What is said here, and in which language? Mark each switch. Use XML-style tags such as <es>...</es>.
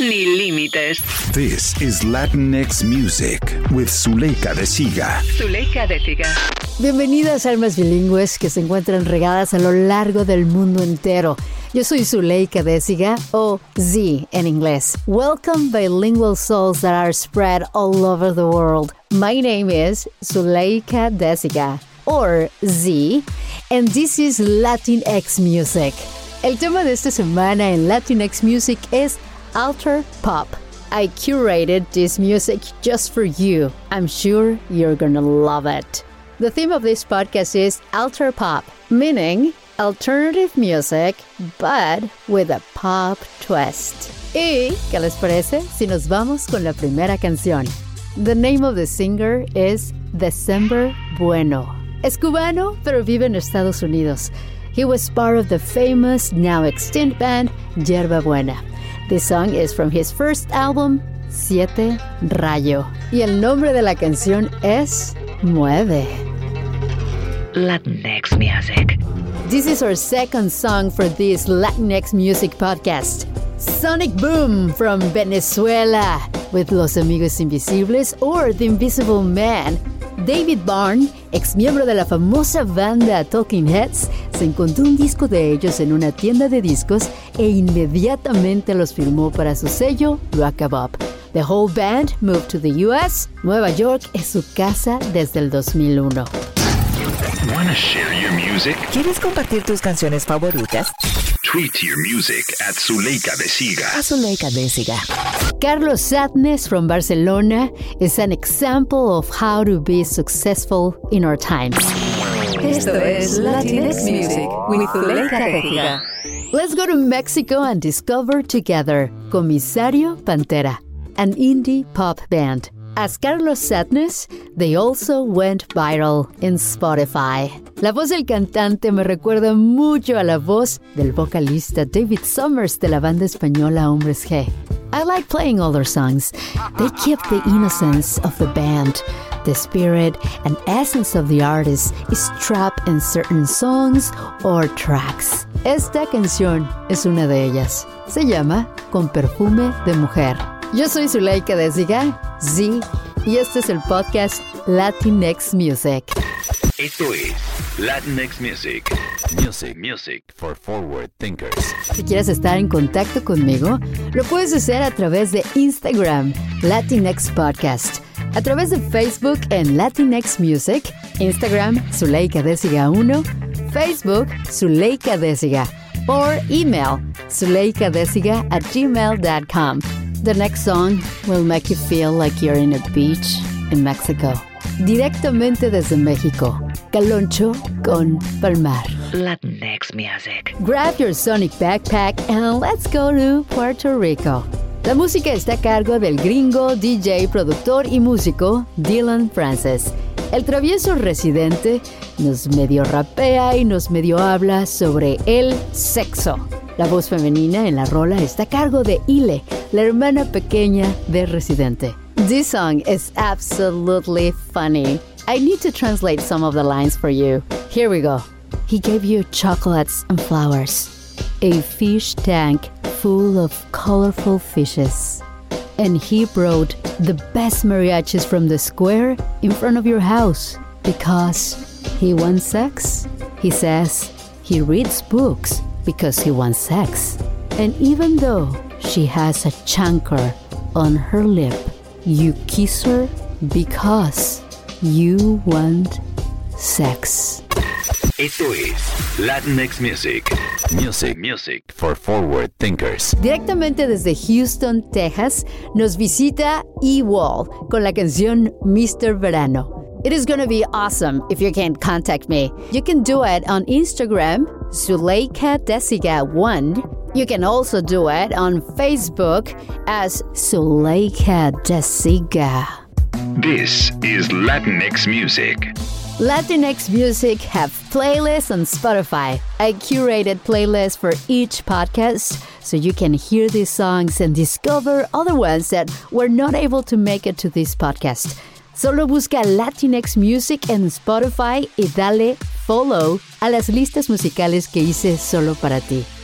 <es>ni límites.</es> <en>This is Latinx Music with Zuleika de Siga. Zuleika de Siga.</en> <es>Bienvenidas almas bilingües que se encuentran regadas a lo largo del mundo entero. Yo soy Zuleika de Siga, o Z en inglés.</es> <en>Welcome bilingual souls that are spread all over the world. My name is Zuleika de Siga, or Z, and this is Latinx Music.</en> <es>El tema de esta semana en Latinx Music es alter pop.</es> <en>I curated this music just for you. I'm sure you're gonna love it. The theme of this podcast is alter pop, meaning alternative music, but with a pop twist.</en> <es>¿Y qué les parece si nos vamos con la primera canción?</es> <en>The name of the singer is December Bueno.</en> <es>Es cubano, pero vive en Estados Unidos.</es> <en>He was part of the famous, now extinct band, Yerba Buena. This song is from his first album, Siete Rayo.</en> <es>Y el nombre de la canción es Mueve. Latinx Music.</es> <en>This is our second song for this Latinx Music podcast. Sonic Boom from Venezuela with Los Amigos Invisibles or The Invisible Man.</en> <es>David Byrne, ex miembro de la famosa banda Talking Heads, se encontró un disco de ellos en una tienda de discos e inmediatamente los firmó para su sello Rockabop.</es> <en>The whole band moved to the US.</en> <es>Nueva York es su casa desde el 2001.</es> <en>Wanna share your music?</en> <es>¿Quieres compartir tus canciones favoritas?</es> <en>Tweet your music at Zuleika de Siga.</en> <es>A Zuleika de Siga.</es> <en>Carlos Sadness from Barcelona is an example of how to be successful in our times.</en> <es>Esto es Latinx Music with Zuleika de Siga.</es> <en>Let's go to Mexico and discover together Comisario Pantera, an indie pop band. As Carlos Sadness, they also went viral in Spotify.</en> <es>La voz del cantante me recuerda mucho a la voz del vocalista David Summers de la banda española Hombres G.</es> <en>I like playing all their songs. They keep the innocence of the band. The spirit and essence of the artist is trapped in certain songs or tracks.</en> <es>Esta canción es una de ellas. Se llama Con Perfume de Mujer. Yo soy Zuleika de Siga, Z, y este es el podcast Latinx Music. Esto es Latinx Music.</es> <en>Music for forward thinkers.</en> <es>Si quieres estar en contacto conmigo, lo puedes hacer a través de Instagram, Latinx Podcast. A través de Facebook en Latinx Music, Instagram Zuleika de Siga 1, Facebook Zuleika de Siga, o email zuleikadesiga@gmail.com.</es> <en>The next song will make you feel like you're in a beach in Mexico.</en> <es>Directamente desde México, Caloncho con Palmar. Latinx Music.</es> <en>Grab your sonic backpack and let's go to Puerto Rico.</en> <es>La música está a cargo del gringo, DJ, productor y músico Dylan Francis. El travieso residente nos medio rapea y nos medio habla sobre el sexo. La voz femenina en la rola está a cargo de Ile, la hermana pequeña de Residente.</es> <en>This song is absolutely funny. I need to translate some of the lines for you. Here we go. He gave you chocolates and flowers. A fish tank full of colorful fishes. And he brought the best mariachis from the square in front of your house. Because he wants sex. He says he reads books because he wants sex. And even though she has a chancre on her lip, you kiss her because you want sex.</en> <es>Esto es Latinx Music.</es> <en>Music for forward thinkers.</en> <es>Directamente desde Houston, Texas, nos visita E-Wall con la canción Mr. Verano.</es> <en>It is gonna be awesome if you can contact me. You can do it on Instagram, Zuleika de Siga 1. You can also do it on Facebook as Zuleika de Siga. This is Latinx Music. Latinx Music have playlists on Spotify. I curated playlists for each podcast, so you can hear these songs and discover other ones that were not able to make it to this podcast.</en> <es>Solo busca Latinx Music en Spotify y dale follow a las listas musicales que hice solo para ti.</es>